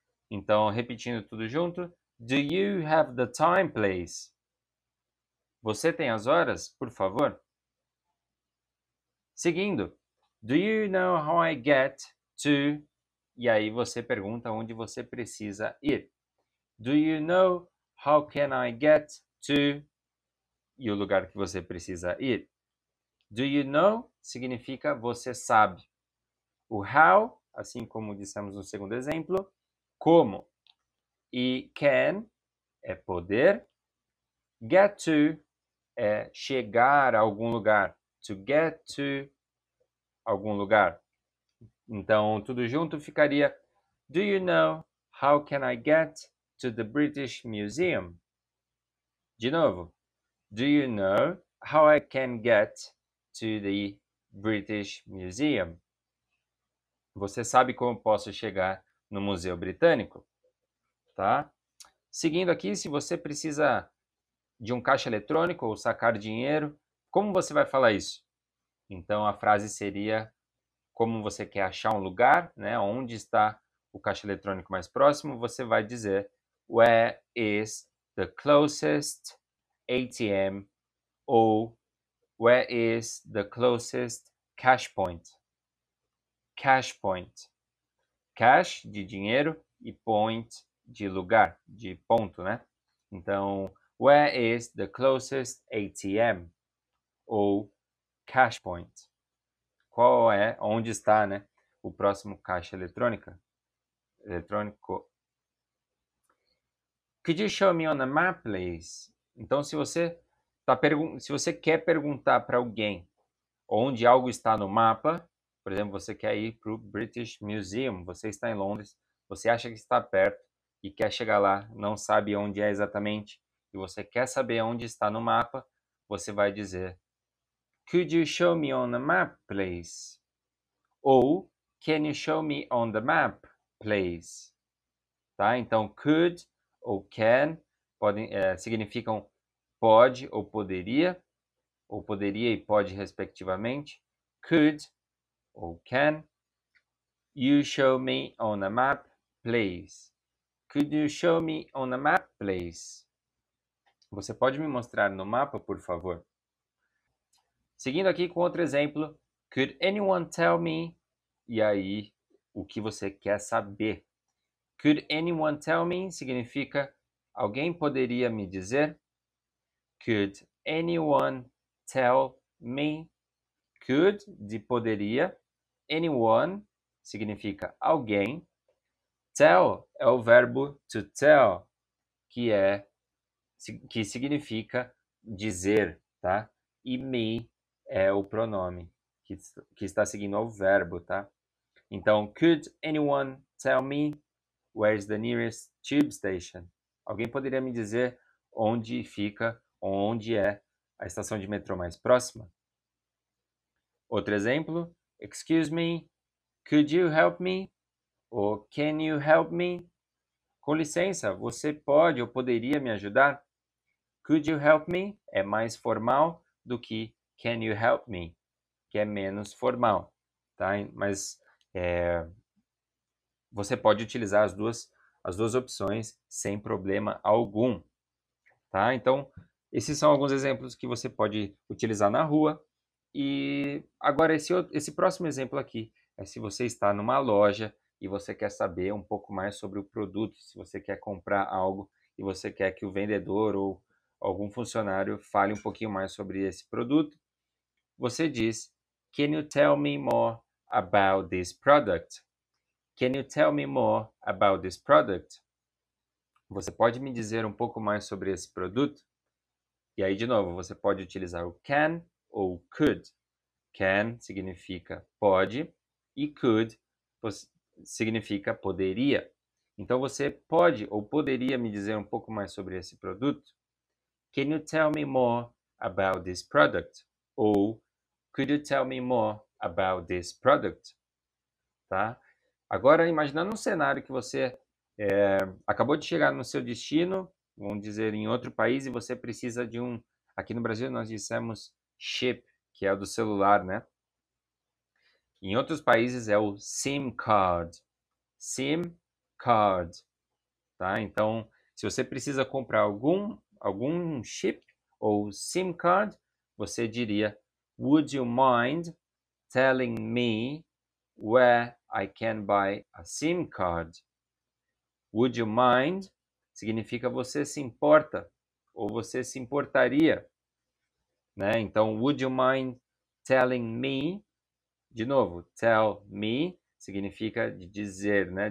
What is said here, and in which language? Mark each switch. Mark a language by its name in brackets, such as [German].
[Portuguese] Então, repetindo tudo junto. [English] Do you have the time, please? [Portuguese] Você tem as horas, por favor? Seguindo, [English] Do you know how I get to? [Portuguese] E aí você pergunta onde você precisa ir. [English] Do you know how can I get to? [Portuguese] E o lugar que você precisa ir. [English] Do you know [Portuguese] significa você sabe. O how, assim como dissemos no segundo exemplo, como. E can é poder. Get to é chegar a algum lugar. [English] To get to [Portuguese] algum lugar. Então, tudo junto ficaria: [English] Do you know how can I get to the British Museum? [Portuguese] De novo. [English] Do you know how I can get to the British Museum? [Portuguese] Você sabe como posso chegar no Museu Britânico? Tá? Seguindo aqui, se você precisa de um caixa eletrônico ou sacar dinheiro, como você vai falar isso? Então a frase seria como você quer achar um lugar, né? Onde está o caixa eletrônico mais próximo, você vai dizer [English] where is the closest ATM [Portuguese] ou [English] where is the closest cash point? Cash point. [Portuguese] Cash de dinheiro e point de lugar, de ponto, né? Então, [English] where is the closest ATM ou cash point? [Portuguese] Qual é, onde está, né, o próximo caixa eletrônica? Eletrônico. [English] Could you show me on the map, please? [Portuguese] Então, se você, se você quer perguntar para alguém onde algo está no mapa, por exemplo, você quer ir para o British Museum, você está em Londres, você acha que está perto e quer chegar lá, não sabe onde é exatamente, e você quer saber onde está no mapa, você vai dizer [English] Could you show me on the map, please? [Portuguese] Ou [English] Can you show me on the map, please? [Portuguese] Tá? Então, could ou can podem, significam pode ou poderia e pode, respectivamente. [English] Could ou can you show me on the map, please? Could you show me on the map, please? [Portuguese] Você pode me mostrar no mapa, por favor? Seguindo aqui com outro exemplo, [English] could anyone tell me? [Portuguese] E aí, o que você quer saber? [English] Could anyone tell me [Portuguese] significa alguém poderia me dizer? [English] Could anyone tell me? [Portuguese] Could de poderia. Anyone significa alguém. Tell é o verbo to tell, que é, que significa dizer, tá? E me é o pronome que está seguindo ao verbo, tá? Então, [English] could anyone tell me where is the nearest tube station? [Portuguese] Alguém poderia me dizer onde fica, onde é a estação de metrô mais próxima? Outro exemplo, [English] excuse me, could you help me? [Portuguese] Ou [English] can you help me? [Portuguese] Com licença, você pode ou poderia me ajudar? [English] Could you help me? [Portuguese] É mais formal do que [English] can you help me, [Portuguese] que é menos formal, tá? Mas é, você pode utilizar as duas opções sem problema algum, tá? Então, esses são alguns exemplos que você pode utilizar na rua. E agora, esse próximo exemplo aqui é se você está numa loja e você quer saber um pouco mais sobre o produto, se você quer comprar algo e você quer que o vendedor ou algum funcionário fale um pouquinho mais sobre esse produto. Você diz, [English] can you tell me more about this product? Can you tell me more about this product? [Portuguese] Você pode me dizer um pouco mais sobre esse produto? E aí, de novo, você pode utilizar o can ou o could. Can significa pode e could significa poderia. Então, você pode ou poderia me dizer um pouco mais sobre esse produto? [English] Can you tell me more about this product? [Portuguese] Ou [English] could you tell me more about this product? [Portuguese] Tá? Agora, imaginando um cenário que você acabou de chegar no seu destino, vamos dizer, em outro país, e você precisa de um... Aqui no Brasil, nós dissemos chip, que é o do celular, né? Em outros países, é o SIM card. SIM card. Tá? Então, se você precisa comprar algum chip ou SIM card, você diria... [English] Would you mind telling me where I can buy a SIM card? Would you mind [Portuguese] significa você se importa ou você se importaria, né? Então, [English] would you mind telling me, [Portuguese] de novo, [English] tell me [Portuguese] significa dizer, né?